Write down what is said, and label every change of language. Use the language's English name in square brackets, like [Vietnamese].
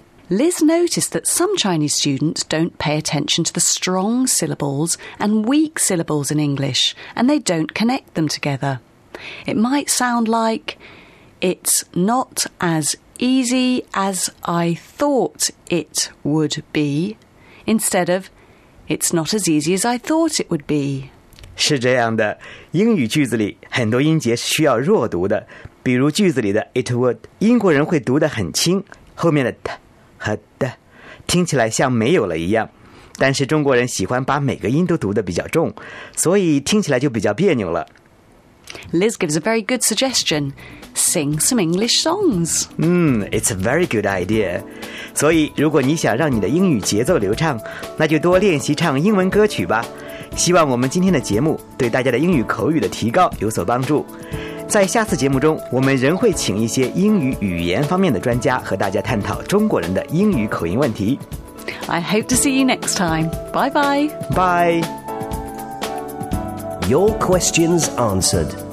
[English] Liz noticed that some Chinese students don't pay attention to the strong syllables and weak syllables in English, and they don't connect them together. It might sound like, it's not as easy as I thought it would be, instead of, it's not as easy as I thought it would be. [Chinese] 是这样的，英语句子里很多音节是需要弱读的，比如句子里的 [English] it would, [Chinese] 英国人会读得很轻，后面的 t,和的听起来像没有了一样，但是中国人喜欢把每个音都读得比较重，所以听起来就比较别扭了。 [English] Liz gives a very good suggestion. Sing some English songs. It's a very good idea. [Chinese] 所以如果你想让你的英语节奏流畅，那就多练习唱英文歌曲吧。希望我们今天的节目对大家的英语口语的提高有所帮助。在下次节目中，我们仍会请一些英语语言方面的专家和大家探讨中国人的英语口音问题。 [English] I hope to see you next time. Bye bye. Bye. Your questions answered.